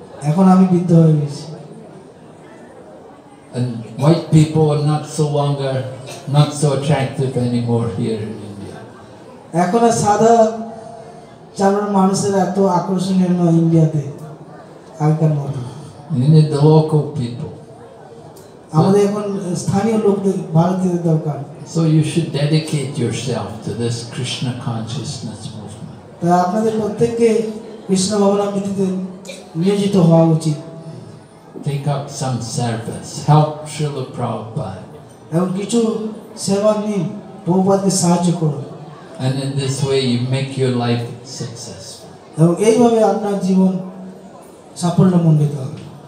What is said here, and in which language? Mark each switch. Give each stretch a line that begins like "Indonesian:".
English: And white people are not so longer Not so attractive anymore here in India.
Bangla: এখন সাধা চারণ মানুষের এত আকর্ষণীয় নয় ইন্ডিয়াতে আগেকার মতো
English: the local people.
Bangla: আমাদের এখন স্থানীয় লোকদের ভারতীয় দরকার
English: So you should dedicate yourself to this Krishna consciousness movement.
Bangla: আপনাদের প্রত্যেককে কৃষ্ণ ভাবনা ভিত্তিতে নিয়োজিত হওয়া উচিত
English: Take up some service. Help Srila Prabhupada.
Bangla: এবং কিছু সেবা নিন প্রভুপাদকে সাহায্য করুন
English: and in this way you make your life successful
Bangla: এবং এইভাবে আপনার জীবন সাফল্যমণ্ডিত হবে